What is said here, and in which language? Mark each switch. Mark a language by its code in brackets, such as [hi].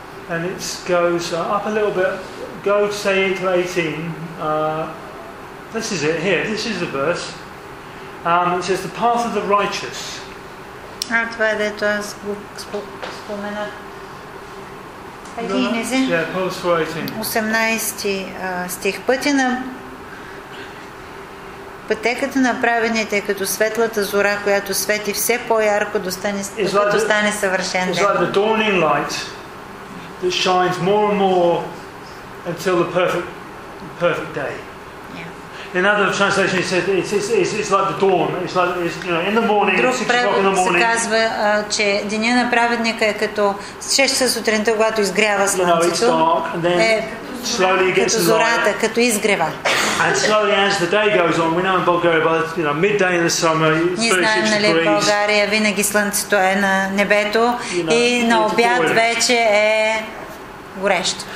[en] And it goes up a little bit, go to say 8 to 18, this is it here, this is the verse, it says the path of the righteous. [bg] Това е дето аз го спомена. [en] Yeah, [bg] 18 стих. Пътеката на праведните е като светлата зора, която свети все по-ярко, докато стане съвършен ден. [en] It's like the dawning light that shines more and more until the perfect day. In other translation it says it's like the dawn. It's like it's, you know, in the morning, 6 o'clock in the morning. [bg] Се казва, че деня на праведника е като 6 часа сутринта, когато изгрява слънцето. [en] Slowly gets [bg] като зората, като изгрева. [en] And slowly as the day goes on, we know in Bulgaria, by the, you know, midday in the summer, it's 36 degrees. [bg] Ние знаем, нали, в България винаги слънцето е на небето, you know, и на обяд вече е горещо.